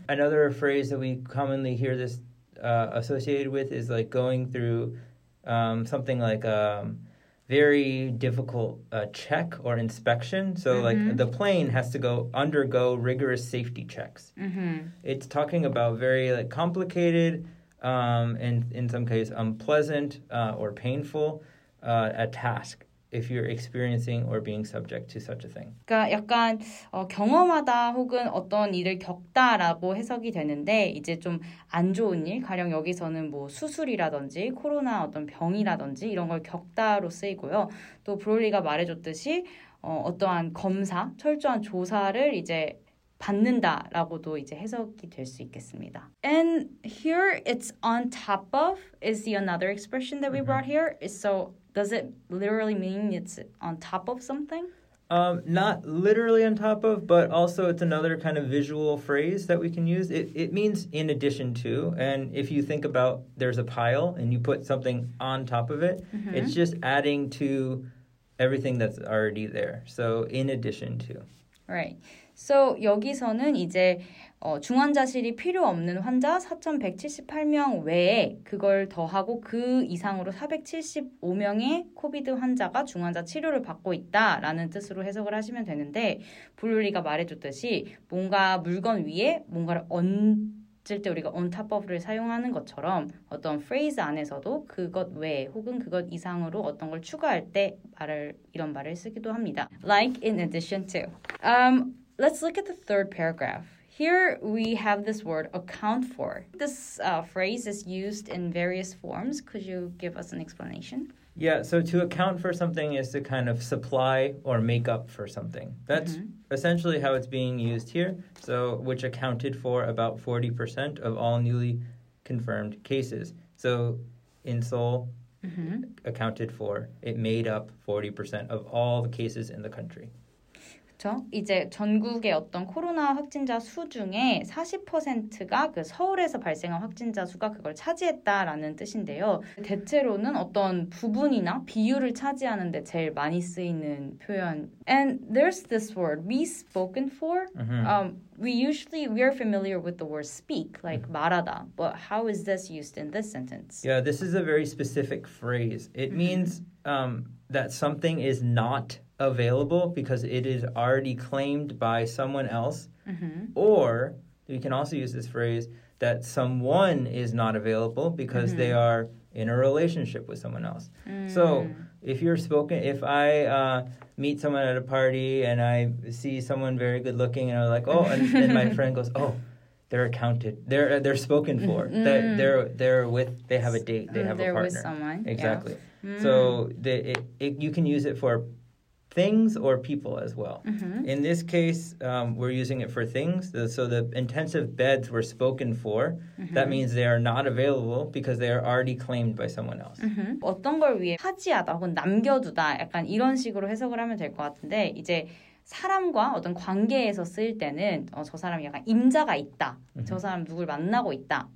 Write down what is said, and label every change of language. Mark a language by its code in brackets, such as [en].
[en] Another phrase that we commonly hear this associated with is like going through something like very difficult check or inspection. So mm-hmm. like the plane has to undergo rigorous safety checks. Mm-hmm. It's talking about very like complicated and in some cases unpleasant or painful a task if you're experiencing or being subject to such a thing. [ko] 그러니까 약간 경험하다 혹은 어떤 일을 겪다라고 해석이 되는데 이제 좀 안 좋은 일, 가령 여기서는 뭐 수술이라든지 코로나 어떤 병이라든지 이런 걸 겪다로 쓰이고요. 또 브롤리가 말해줬듯이 어떠한 검사, 철저한 조사를 이제 받는다라고도 이제 해석이 될 수 있겠습니다. [en] And here it's on top of is the another expression that we mm-hmm. brought here. So Does it literally mean it's on top of something? Not literally on top of, but also it's another kind of visual phrase that we can use. It means in addition to, and if you think about there's a pile and you put something on top of it, mm-hmm. it's just adding to everything that's already there. So in addition to. Right. [ko] So 여기서는 이제 중환자실이 필요 없는 환자 4,178명 외에 그걸 더하고 그 이상으로 475명의 코비드 환자가 중환자 치료를 받고 있다라는 뜻으로 해석을 하시면 되는데 블루리가 말해줬듯이 뭔가 물건 위에 뭔가를 얹을 때 우리가 on top of를 사용하는 것처럼 어떤 phrase 안에서도 그것 외에 혹은 그것 이상으로 어떤 걸 추가할 때 말을 이런 말을 쓰기도 합니다. [en] Like in addition to. Let's look at the third paragraph. Here we have this word account for. This phrase is used in various forms. Could you give us an explanation? Yeah, so to account for something is to kind of supply or make up for something. That's mm-hmm. essentially how it's being used here, so which accounted for about 40% of all newly confirmed cases. So in Seoul, mm-hmm. accounted for, it made up 40% of all the cases in the country. [ko] 그렇죠? 이제 전국의 어떤 코로나 확진자 수 중에 40%가 그 서울에서 발생한 확진자 수가 그걸 차지했다라는 뜻인데요. 대체로는 어떤 부분이나 비율을 차지하는데 제일 많이 쓰이는 표현. [en] And there's this word, be spoken for. Mm-hmm. We are familiar with the word speak, like mm-hmm. [ko] 말하다. [en] But how is this used in this sentence? Yeah, this is a very specific phrase. It mm-hmm. means that something is not available because it is already claimed by someone else, mm-hmm. or you can also use this phrase that someone is not available because mm-hmm. they are in a relationship with someone else. Mm. So if you're spoken, if I meet someone at a party and I see someone very good looking and I'm like, oh, and then my friend goes, oh, they're accounted, they're spoken for, mm-hmm. that they're with, they have a date, they have they're a partner. They're with someone. Exactly. Yeah. Mm. So you can use it for things or people as well. Mm-hmm. In this case, we're using it for things. So the intensive beds were spoken for. Mm-hmm. That means they are not available because they are already claimed by someone else. Mm-hmm. [ko] 어떤 걸 위해 차지하다 혹은 남겨두다 약간 이런 식으로 해석을 하면 될 것 같은데 이제 사람과 어떤 관계에서 쓸 때는 저 사람이 약간 임자가 있다. Mm-hmm. 저 사람 누굴 만나고 있다.